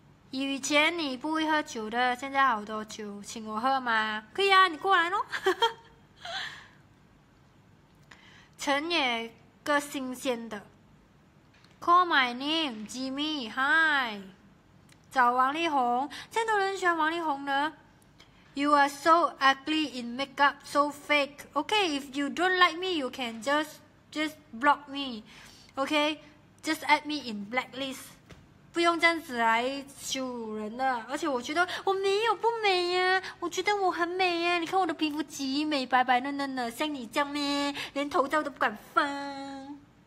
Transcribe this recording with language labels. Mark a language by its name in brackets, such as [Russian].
[Chinese] 以前你不会喝酒的，现在好多酒，请我喝吗？可以啊，你过来咯。成也个新鲜的。 [English] Call my name, Jimmy. Hi. [Chinese] 找王力宏，现在都人喜欢王力宏呢。 [English] You are so ugly in makeup, so fake. Okay, if you don't like me, you can just block me. Okay, just add me in blacklist. [Chinese] 不用这样子来羞辱人了。而且我觉得我没有不美呀、啊，我觉得我很美呀、啊。你看我的皮肤极美，白白嫩嫩的，像你这样咩？连头罩都不敢放。